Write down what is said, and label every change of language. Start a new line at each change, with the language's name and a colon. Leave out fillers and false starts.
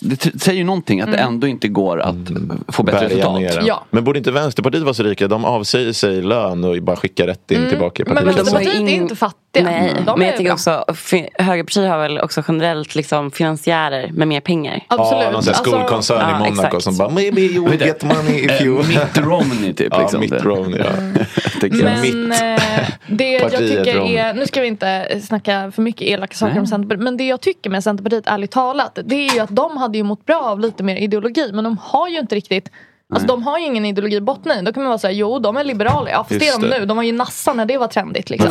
Swedish: Det säger ju någonting att det ändå inte går att... få bättre resultat. Ja. Men borde inte Vänsterpartiet vara så rika? De avsäger sig lön och bara skickar rätt in tillbaka. Men Vänsterpartiet är inte fattiga. Nej. Men jag tycker också, högerpartiet har väl också generellt liksom finansiärer med mer pengar. Absolut. Ja, någon sån skolkoncern i Monaco exakt. Som bara,
English: maybe you will get money if you...
Swedish: Mitt Romney typ. Ja, liksom. Mitt Romney, ja. Men det jag tycker är, nu ska vi inte snacka för mycket elaka saker om Centerpartiet, men det jag tycker med Centerpartiet, ärligt talat, det är ju att de hade ju mått bra av lite mer ideologi, men de har ju inte riktigt, alltså de har ju ingen ideologi botten i. Då kan man vara såhär, jo de är liberala, ja fast det är de nu, de var ju nassa när det var trendigt liksom.